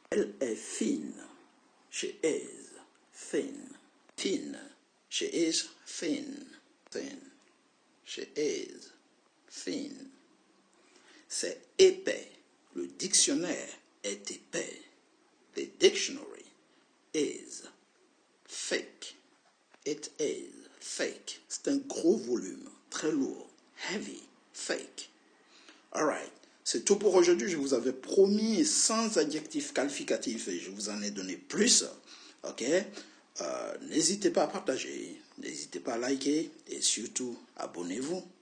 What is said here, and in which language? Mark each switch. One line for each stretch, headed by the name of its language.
French: Elle est fine.
English: She is thin. Thin. She is thin. Thin. She is thin.
French: C'est épais. Le dictionnaire est épais.
English: The dictionary is thick. It is thick.
French: C'est un gros volume, très lourd,
English: heavy, thick. All right.
French: C'est tout pour aujourd'hui. Je vous avais promis 100 adjectifs qualificatifs et je vous en ai donné plus. Ok? N'hésitez pas à partager, n'hésitez pas à liker et surtout abonnez-vous.